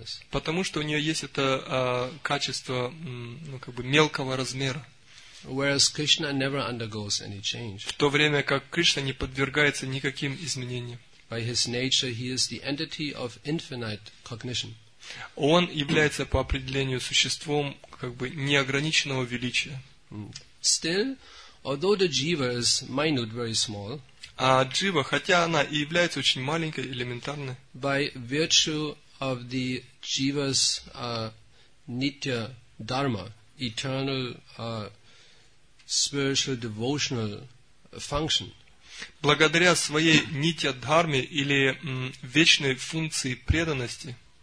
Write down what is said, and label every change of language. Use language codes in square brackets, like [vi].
[ru] Потому что у нее есть это качество мелкого размера. [en] Whereas Krishna never undergoes any change. [ru] В то время как Кришна не подвергается никаким изменениям. [en] By his nature, he is the entity of infinite cognition. [ru] Он является по определению существом неограниченного величия. [en] Still, although the jiva is minute, very small, [ru] а джива, хотя она и является очень маленькой, элементарной, [en] by virtue of the jiva's nitya dharma, eternal spiritual devotional function, [ru] благодаря своей нитья дхарме или вечной функции преданности,